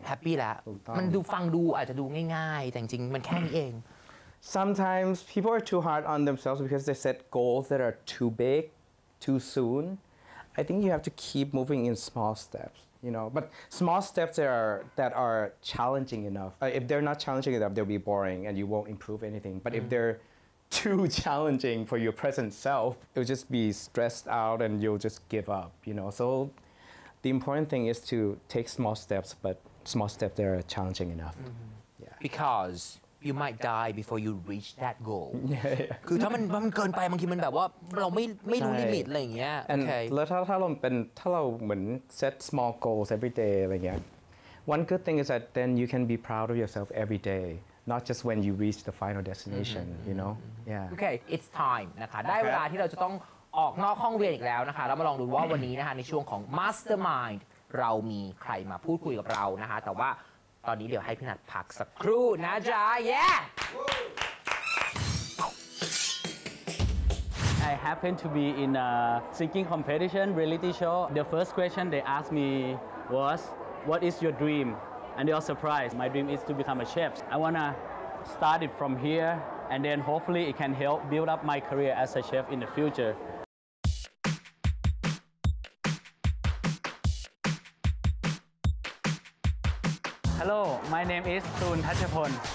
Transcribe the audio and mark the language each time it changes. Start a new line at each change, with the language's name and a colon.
Thai: แฮปปี้แล้วมันดูฟังดูอาจจะดูง่ายๆแต่จริงมันแค่นี้เอง
English: Sometimes people are too hard on themselves because they set goals that are too big, too soon. I think you have to keep moving in small steps, you know. But small steps that are challenging enough. If they're not challenging enough, they'll be boring and you won't improve anything. But if they're too challenging for your present self, you'll just be stressed out and you'll just give up, you know. So the important thing is to take small steps, but small steps that are challenging enough. Mm-hmm. Yeah. Because... You might die before you reach that goal. Yeah.
Thai: คือถ้ามันเกินไปบางทีมันแบบว่าเราไม่รู้ลิมิตอะไรอย่างเงี้ย
English: And okay.
Thai: แล้วถ้าเราเหมือน
English: set small goals every day
Thai: อะไรเงี้ย
English: One good thing is that then you can be proud of yourself every day, not just when you reach the final destination. Mm-hmm. You know? Yeah. Okay, it's time
Thai: นะคะ ได้เวลาที่เราจะต้องออกนอกห้องเรียนอีกแล้วนะคะเรามาลองดูว่าวันนี้นะคะในช่วงของ Mastermind เรามีใครมาพูดคุยกับเรานะคะแต่ว่าตอนนี้เดี๋ยวให้พี่นัทพักสักครู่นะจ๊ะ yeah
English: I happened to be in a singing competition reality show the first question they asked me was what is your dream and they were surprised my dream is to become a chef I wanna start it from here and then hopefully it can help build up my career as a chef in the futureHello, my name is Thun Thachapon.